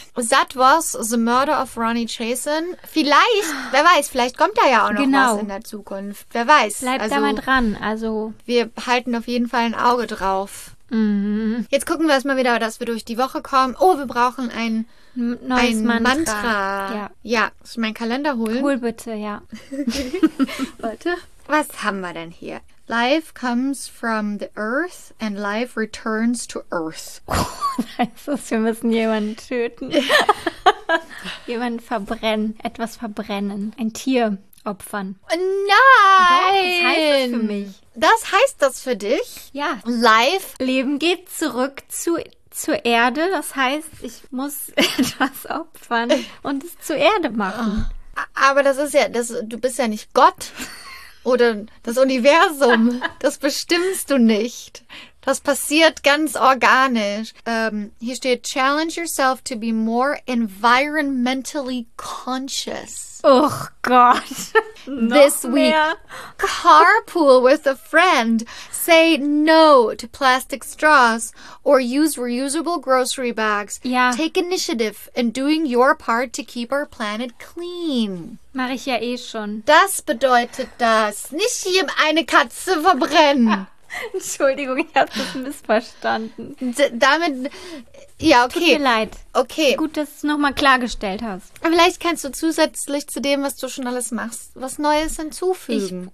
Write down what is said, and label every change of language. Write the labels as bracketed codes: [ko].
[en] That was the murder of Ronnie Chasen. [de] Vielleicht, wer weiß, vielleicht kommt da ja auch noch was in der Zukunft. Wer weiß. Bleib also, da mal dran. Also. Wir halten auf jeden Fall ein Auge drauf. Mhm. Jetzt gucken wir erstmal wieder, dass wir durch die Woche kommen. Oh, wir brauchen ein... Neues Mantra. Ja. Soll ich meinen Kalender holen? Hol bitte, ja. Warte. Was haben wir denn hier? [en] Life comes from the earth and life returns to earth. [de] Heißt das, wir müssen jemanden töten? Jemanden verbrennen. Etwas verbrennen. Ein Tier opfern. Nein! Was heißt das für mich? Das heißt das für dich? Ja. [en] Life. [de] Leben geht zurück zur Erde. Das heißt, ich muss etwas opfern und es zur Erde machen. Aber das ist ja, du bist ja nicht Gott. Oder das Universum, das bestimmst du nicht. Das passiert ganz organisch. Hier steht, [en] challenge yourself to be more environmentally conscious. [de] Oh Gott. [en] This week, carpool with a friend. Say no to plastic straws or use reusable grocery bags. Yeah. Take initiative in doing your part to keep our planet clean. [de] Mache ich ja eh schon. Das bedeutet das. Nicht hier eine Katze verbrennen. Entschuldigung, ich habe das missverstanden. Damit, ja, okay. Tut mir leid. Okay. Gut, dass du es nochmal klargestellt hast. Vielleicht kannst du zusätzlich zu dem, was du schon alles machst, was Neues hinzufügen.